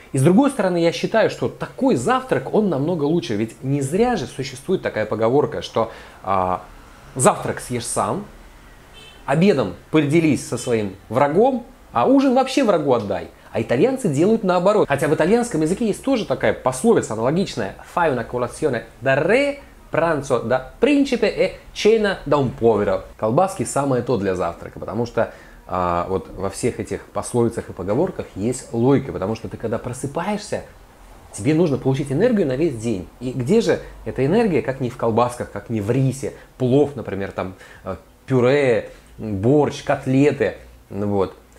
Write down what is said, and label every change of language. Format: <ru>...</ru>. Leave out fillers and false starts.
<ru>И с другой стороны, я считаю, что такой завтрак, он намного лучше. Ведь не зря же существует такая поговорка, что завтрак съешь сам, обедом поделись со своим врагом, а ужин вообще врагу отдай. А итальянцы делают наоборот. Хотя в итальянском языке есть тоже такая пословица аналогичная.</ru> <it>Fai una colazione da re, pranzo da principe e cena da un povero.</it> <ru>Колбаски самое то для завтрака, потому что вот во всех этих пословицах и поговорках есть логика. Потому что ты когда просыпаешься, тебе нужно получить энергию на весь день. И где же эта энергия, как не в колбасках, как не в рисе, плов, например, там пюре, борщ, котлеты, ну вот.</ru>